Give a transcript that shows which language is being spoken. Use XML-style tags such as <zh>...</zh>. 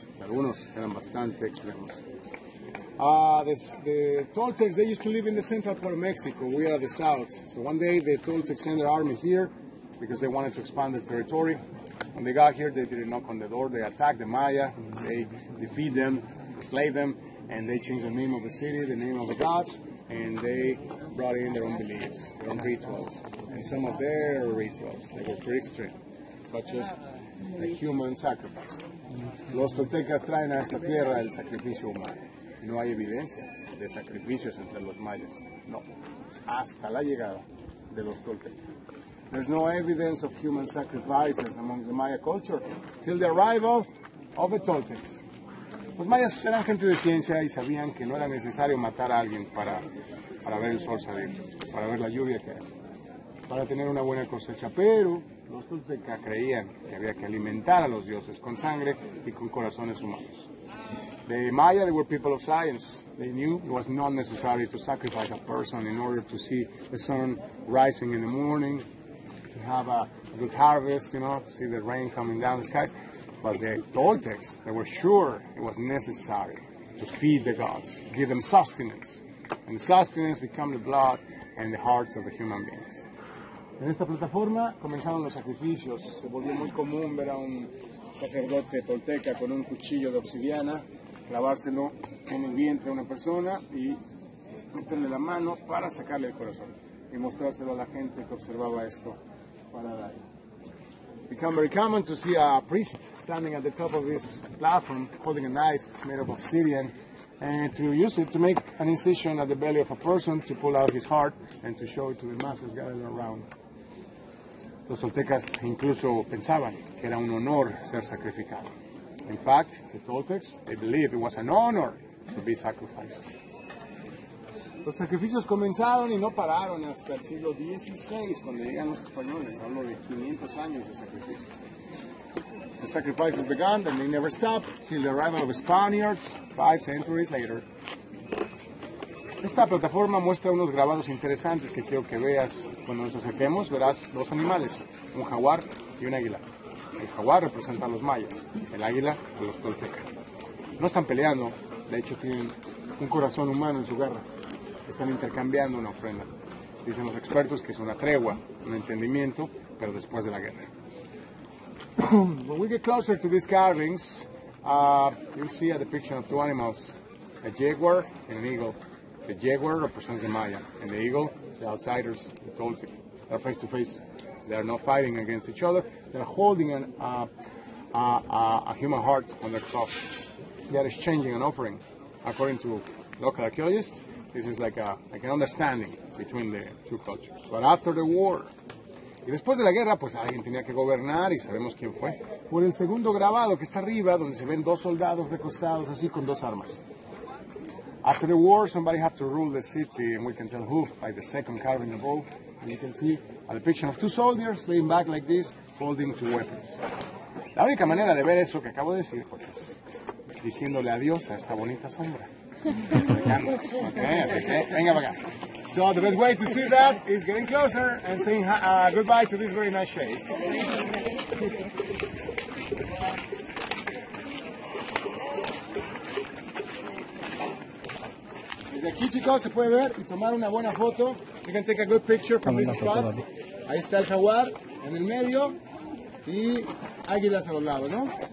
<es>Algunos eran bastante extremos.</es> <en>The Toltecs, they used to live in the central part of Mexico. We are the south. So one day, the Toltecs sent their army here because they wanted to expand the territory. When they got here, they didn't knock on the door. They attacked the Maya. They defeat them, enslaved them, and they changed the name of the city, the name of the gods, and they brought in their own beliefs, their own rituals. And some of their rituals, they were pretty extreme, such as the human sacrifice.</en> <es>Los Toltecas traen a esta tierra el sacrificio humano. No hay evidencia de sacrificios entre los mayas. No. Hasta la llegada de los Toltecas.</es> <en>There's no evidence of human sacrifices among the Maya culture till the arrival of the Toltecs.</en> <es>Los mayas eran gente de ciencia y sabían que no era necesario matar a alguien para ver el sol salir, para ver la lluvia caer, para tener una buena cosecha. Pero los Toltecas creían que había que alimentar a los dioses con sangre y con corazones humanos.</es> <en>The Maya, they were people of science. They knew it was not necessary to sacrifice a person in order to see the sun rising in the morning, to have a good harvest, you know, to see the rain coming down the skies. But the Toltecs, they were sure it was necessary to feed the gods, to give them sustenance. And sustenance become the blood and the hearts of the human beings.</en> <es>En esta plataforma comenzaron los sacrificios. Se volvió muy común ver a un sacerdote tolteca con un cuchillo de obsidiana clavárselo en el vientre a una persona y meterle la mano para sacarle el corazón y mostrárselo a la gente que observaba esto para dar.</es> <en>Become very common to see a priest standing at the top of this platform holding a knife made of obsidian and to use it to make an incision at the belly of a person to pull out his heart and to show it to the masses gathered around.</en> <es>Los toltecas incluso pensaban que era un honor ser sacrificado.</es> <en>In fact, the Toltecs, they believed it was an honor to be sacrificed.</en> <es>Los sacrificios comenzaron y no pararon hasta el siglo XVI, cuando llegan los españoles. Hablo de 500 años de sacrificios.</es> <en>The sacrifices began, and they never stopped, till the arrival of Spaniards, 5 centuries later.</en> <es>Esta plataforma muestra unos grabados interesantes que quiero que veas. Cuando nos acerquemos, verás dos animales, un jaguar y un águila. El jaguar representa a los mayas, el águila a los toltecas. No están peleando, de hecho tienen un corazón humano en su garra. Están intercambiando una ofrenda. Dicen los expertos que es una tregua, un entendimiento, pero después de la guerra.</es> <en>When we get closer to these carvings, you'll see a depiction of two animals, a jaguar and an eagle. The jaguar represents the Maya, and the eagle, the outsiders, the Toltec. They're face to face. They are not fighting against each other. They're holding a human heart on their cross. They are exchanging an offering. According to local archaeologists, this is like an understanding between the two cultures. But after the war,</en> <es>y después de la guerra, pues alguien tenía que gobernar y sabemos quién fue. Por el segundo grabado que está arriba, donde se ven dos soldados recostados así con dos armas.</es> <en>After the war, somebody had to rule the city, and we can tell who by the second carving above. And you can see a depiction of two soldiers laying back like this, holding two weapons.</en> <es>La única manera de ver eso que acabo de decir, pues es diciéndole adiós a esta bonita sombra. Venga para acá.</es> <en>So the best way to see that is getting closer and saying goodbye to this very nice shade.</en> <es>Desde aquí, chicos, se puede ver y tomar una buena foto.</es> <en>You can take a good picture from this spot.</en> <es>Ahí está el jaguar en el medio y águilas a los lados, ¿no?</es>